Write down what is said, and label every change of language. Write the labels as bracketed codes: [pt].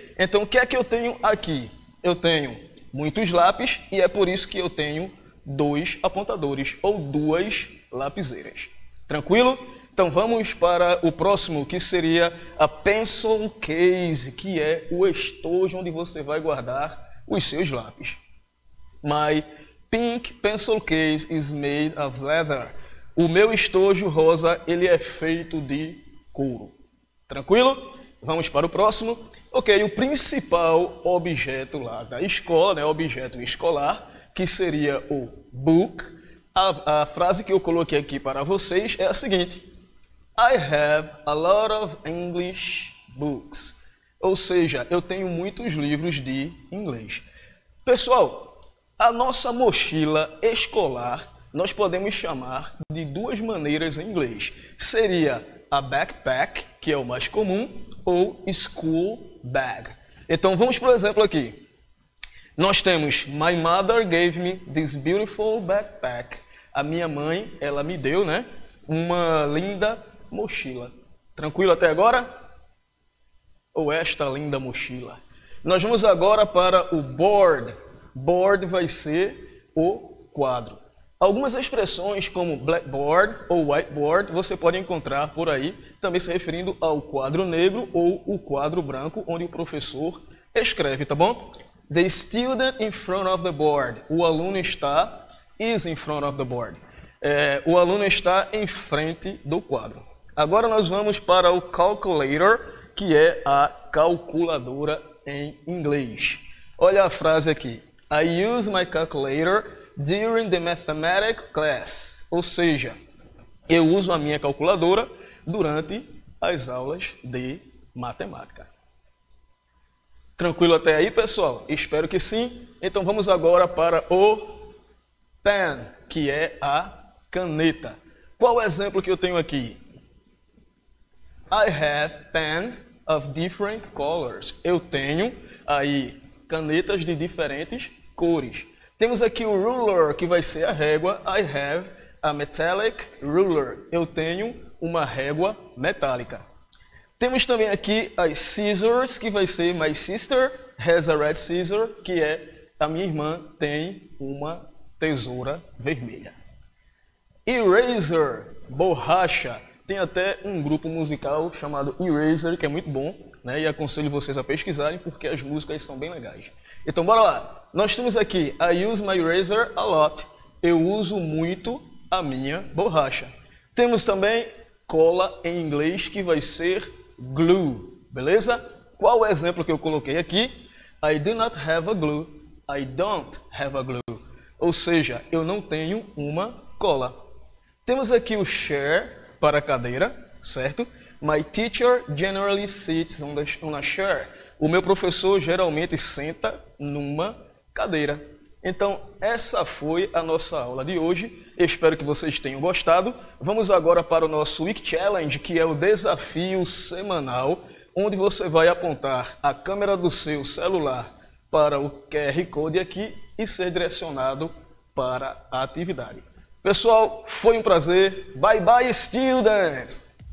[pt] Então, o que é que eu tenho aqui? Eu tenho muitos lápis e é por isso que eu tenho dois apontadores ou duas lapiseiras. Tranquilo? Então, vamos para o próximo, que seria a pencil case, que é o estojo onde você vai guardar os seus lápis. [en] My pink pencil case is made of leather. [pt] O meu estojo rosa, ele é feito de couro. Tranquilo? Vamos para o próximo. Ok, o principal objeto lá da escola, né, objeto escolar, que seria o book. A frase que eu coloquei aqui para vocês é a seguinte. [en] I have a lot of English books. [pt] Ou seja, eu tenho muitos livros de inglês. Pessoal, a nossa mochila escolar, nós podemos chamar de duas maneiras em inglês. Seria a backpack, que é o mais comum, ou school bag. Então, vamos para o exemplo aqui. Nós temos, [en] my mother gave me this beautiful backpack. [pt] A minha mãe, ela me deu, né, uma linda mochila. Tranquilo até agora? Ou esta linda mochila? Nós vamos agora para o board. Board vai ser o quadro. Algumas expressões como blackboard ou whiteboard você pode encontrar por aí, também se referindo ao quadro negro ou o quadro branco onde o professor escreve, tá bom? [en] The student in front of the board. [pt] O aluno está, [en] is in front of the board. [pt] O aluno está em frente do quadro. Agora nós vamos para o calculator, que é a calculadora em inglês. Olha a frase aqui. [en] I use my calculator during the mathematics class. [pt] Ou seja, eu uso a minha calculadora durante as aulas de matemática. Tranquilo até aí, pessoal? Espero que sim. Então vamos agora para o pen, que é a caneta. Qual o exemplo que eu tenho aqui? [en] I have pens of different colors. [pt] Eu tenho aí canetas de diferentes cores. Temos aqui o ruler, que vai ser a régua. [en] I have a metallic ruler. [pt] Eu tenho uma régua metálica. Temos também aqui as scissors, que vai ser [en] my sister has a red scissor, [pt] que é a minha irmã tem uma tesoura vermelha. Eraser, borracha. Tem até um grupo musical chamado Eraser, que é muito bom, né? E aconselho vocês a pesquisarem, porque as músicas são bem legais. Então, bora lá. Nós temos aqui, [en] I use my eraser a lot. [pt] Eu uso muito a minha borracha. Temos também cola em inglês, que vai ser glue. Beleza? Qual o exemplo que eu coloquei aqui? [en] I do not have a glue. I don't have a glue. [pt] Ou seja, eu não tenho uma cola. Temos aqui o chair para a cadeira, certo? [en] My teacher generally sits on a chair. [pt] O meu professor geralmente senta numa cadeira. Então, essa foi a nossa aula de hoje. Espero que vocês tenham gostado. Vamos agora para o nosso Week Challenge, que é o desafio semanal, onde você vai apontar a câmera do seu celular para o QR Code aqui e ser direcionado para a atividade. Pessoal, foi um prazer. [en] Bye, bye, students!